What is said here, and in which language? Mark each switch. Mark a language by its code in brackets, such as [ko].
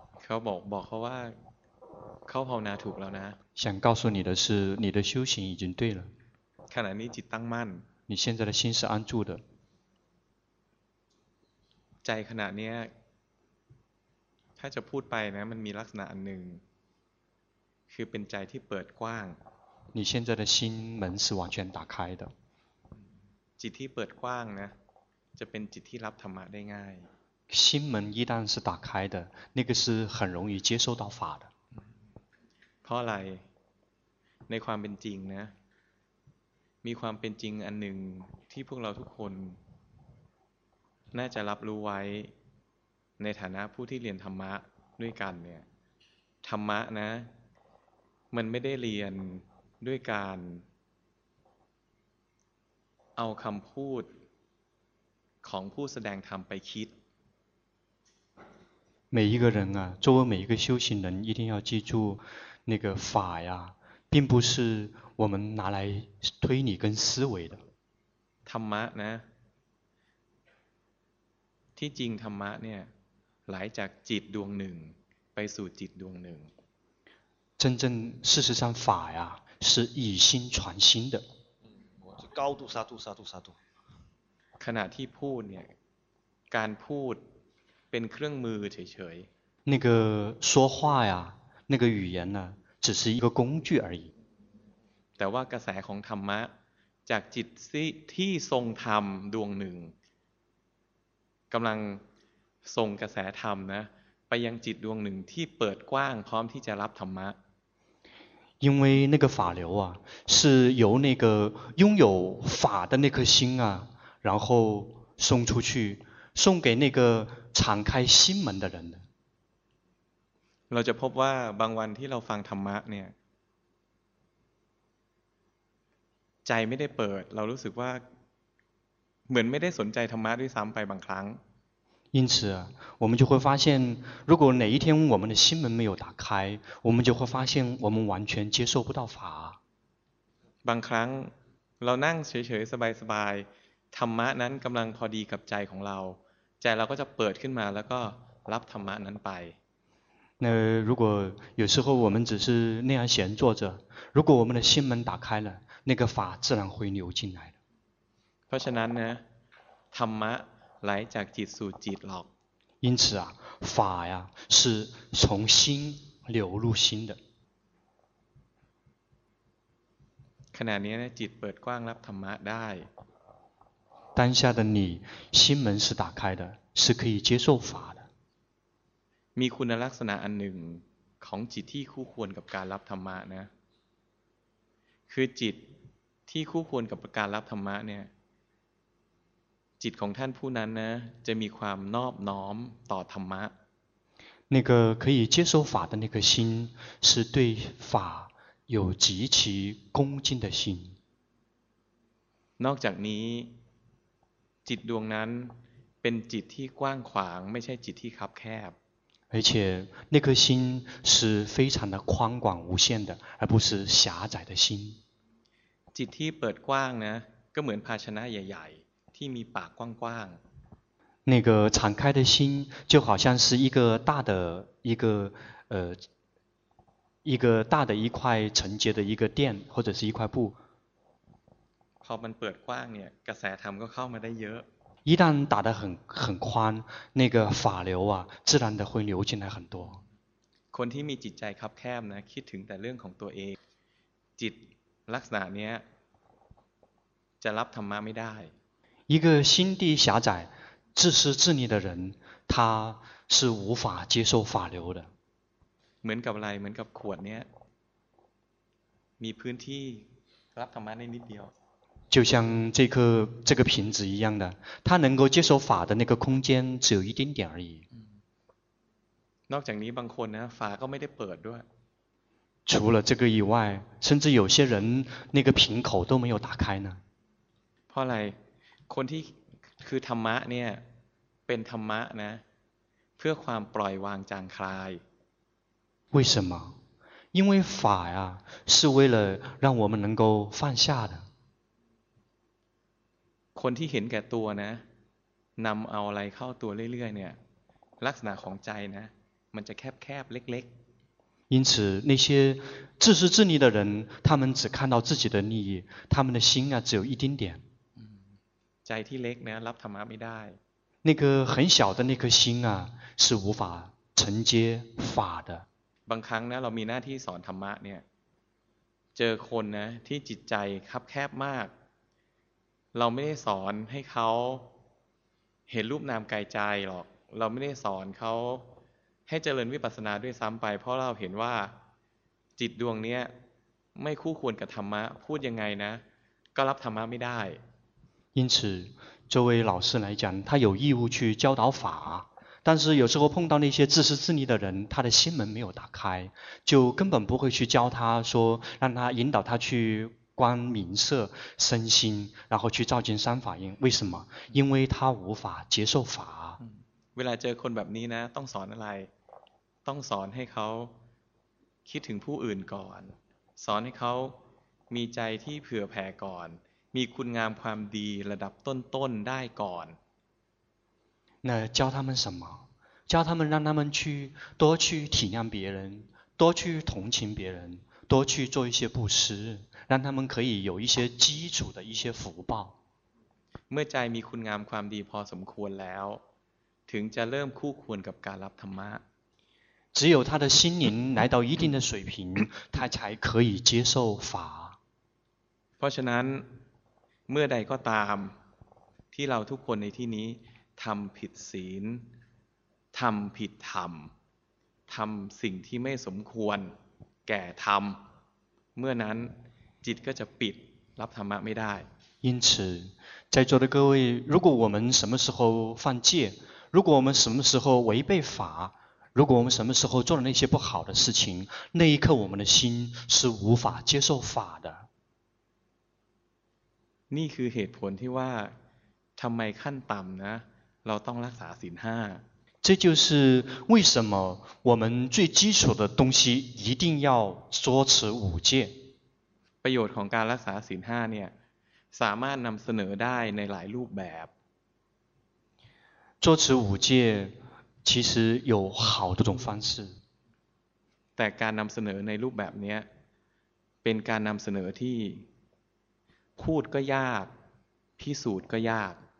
[th] เขาบอกเขาว่าเข้าภาวนาถูกแล้วนะ [zh] 想告诉你的是你的修行已经对了 [th] ขณะนี้จิตตั้งมั่น [zh] 你现在的心是安住的 [th] ใจขณะนี้ถ้าจะพูดไปนะมันมีลักษณะอันหนึ่งคือเป็นใจที่เปิดกว้าง [zh] 你现在的心门是完全打开的 [th] จิตที่เปิดกว้างนะจะเป็นจิตที่รับธรรมะได้ง่าย [zh] 心门一旦是打开的那个是很容易接受到法的 [th] เพราะอะไรในความเป็นจริงนะมีความเป็นจริงอันหนึ่งที่พวกเราทุกคนน่าจะรับรู้ไว้ในฐานะผู้ที่เรียนธรรมะด้วยกันเนี่ยธรรมะนะมันไม่ได้เรียนด้วยการเอาคำพูดของผู้แสดงธรรมไปคิด [zh] 每一个人啊作为每一个修行人一定要记住那个法呀并不是我们拿来推理跟思维的 [th] ธรรมะนะที่จริงธรรมะเนี่ยไหลจากจิตดวงหนึ่งไปสู่จิตดวงหนึ่ง [zh] 真正事实上法呀是以心传心的高度沙度沙度沙度 [th] ขณะที่พูดเนี่ยการพูดเป็นเครื่องมือเฉย [zh] ๆ那个说话呀那个语言呢只是一个工具而已 [th] แต่ว่ากระแสของธรรมะจากจิตที่ทรงธรรมดวงหนึ่งกำลังส่งกระแสธรรมนะไปยังจิตดวงหนึ่งที่เปิดกว้างพร้อมที่จะรับธรรมะ [zh] 因为那个法流啊是由那个拥有法的那颗心啊然后送出去送给那个敞开心门的人的 [th] เราจะพบว่าบางวันที่เราฟังธรรมะเนี่ยใจไม่ได้เปิดเรารู้สึกว่าเหมือนไม่ได้สนใจธรรมะด้วยซ้ำไปบางครั้ง [zh] 因此我们就会发现，如果哪一天我们的心门没有打开，我们就会发现我们完全接受不到法。 [th] บางครั้งเรานั่งเฉยๆสบายๆธรรมะนั้นกำลังพอดีกับใจของเราใจเราก็จะเปิดขึ้นมาแล้วก็รับธรรมะนั้นไป [zh] 那如果有时候我们只是那样闲坐着，如果我们的心门打开了，那个法自然会流进来的。 [th] เพราะฉะนั้นนะธรรมะไหลจากจิตสู่จิตหรอก [zh] 因此啊法呀是从心流入心的 [th] ขณะนี้จิตเปิดกว้างรับธรรมะได้ [zh] 当下的你心门是打开的是可以接受法的 [th] มีคุณลักษณะอันหนึ่งของจิตที่คู่ควรกับการรับธรรมะนะคือจิตที่คู่ควรกับการรับธรรมะเนี่ยจิตของท่านผู้นั้นนะจะมีความนอบน้อมต่อธรรมะ [zh] 那个可以接受法的那颗心是对法有极其恭敬的心 [th] นอกจากนี้จิตดวงนั้นเป็นจิตที่กว้างขวางไม่ใช่จิตที่คับแคบ [zh] 而且那颗心是非常的宽广无限的而不是狭窄的心 [th] จิตที่เปิดกว้างนะก็เหมือนภาชนะใหญ่ๆที่มีปากกว้าง [zh] ๆ那个敞开的心就好像是一个大的一个一个大的一块承接的一个垫或者是一块布 [th] พอมันเปิดกว้างเนี่ยกระแสธรรมก็เข้ามาได้เยอะ [zh] 一旦打得很宽那个法流啊自然的会流进来很多 [th] คนที่มีจิตใจคับแคบนะคิดถึงแต่เรื่องของตัวเองจิตลักษณะเนี้ยจะรับธรรมะไม่ได้ [zh] 一个心地狭窄、自私自利的人，他是无法接受法流的。 [th] เหมือนกับอะไร เหมือนกับขวดเนี้ย มีพื้นที่รับธรรมะได้นิดเดียว [zh] 就像这个瓶子一样的，它能够接受法的那个空间只有一丁点而已。 [th] นอกจากนี้บางคนนะ法ก็ไม่ได้เปิดด้วย [zh] 除了这个以外，甚至有些人那个瓶口都没有打开呢。 [th] เพราะอะไรคนที่คือธรรมะเนี่ยเป็นธรรมะนะเพื่อความปล่อยวางจางคลาย [zh] 为什么因为法呀是为了让我们能够放下的 [th] คนที่เห็นแก่ตัวนะนำเอาอะไรเข้าตัวเรื่อยๆเนี่ยลักษณะของใจนะมันจะแคบๆเล็ก [zh] ๆ因此那些自私自利的人他们只看到自己的利益他们的心啊只有一丁点 [th] ใจที่เล็กนะรับธรรมะไม่ได้ [zh] 那个很小的那颗心啊是无法承接法的 [th] บางครั้งนะเรามีหน้าที่สอนธรรมะเนี่ยเจอคนนะที่จิตใจคับแคบมากเราไม่ได้สอนให้เขาเห็นรูปนามกายใจหรอกเราไม่ได้สอนเขาให้เจริญวิปัสสนาด้วยซ้ำไปเพราะเราเห็นว่าจิตดวงเนี้ยไม่คู่ควรกับธรรมะพูดยังไงนะก็รับธรรมะไม่ได้ [zh] 因此这位老师来讲他有义务去教导法但是有时候碰到那些自私自利的人他的心门没有打开就根本不会去教他说让他引导他去观明色身心然后去照见三法印为什么因为他无法接受法 [th] เวลาเจอคนแบบนี้นะต้องสอนอะไรต้องสอนให้เขาคิดถึงผู้อื่นก่อนสอนให้เขามีใจที่เผื่อแผ่ก่อนมีคุณงามความดีระดับต้นๆได้ก่อน [zh] 那教他们什么教他们让他们去多去体谅别人多去同情别人多去做一些布施让他们可以有一些基础的一些福报 [th] เมื่อใจมีคุณงามความดีพอสมควรแล้วถึงจะเริ่มคู่ควรกับการรับธรรมะ [zh] 只有他的心灵来到一定的水平他才可以接受法 [th] เพราะฉะนั้นเมื่อใดก็ตามที่เราทุกคนในที่นี้ทำผิดศีลทำผิดธรรมทำสิ่งที่ไม่สมควรแก่ธรรมเมื่อนั้นจิตก็จะปิดรับธรรมะไม่ได้ [zh] 因此在座的各位如果我们什么时候犯戒如果我们什么时候违背法如果我们什么时候做了那些不好的事情那一刻我们的心是无法接受法的 [th] นี่คือเหตุผลที่ว่าทำไมขั้นต่ำนะ เราต้องรักษาศีล5 [zh] 这就是为什么我们最基础的东西一定要遵持五戒 [th] ประโยชน์ของการรักษาศีล5เนี่ยสามารถนำเสนอได้ในหลายรูปแบบ [zh] 遵持五戒其实有好多种方式 [th] แต่การนำเสนอในรูปแบบนี้เป็นการนำเสนอที่พูดก็ยากพิสูจน์ก็ยาก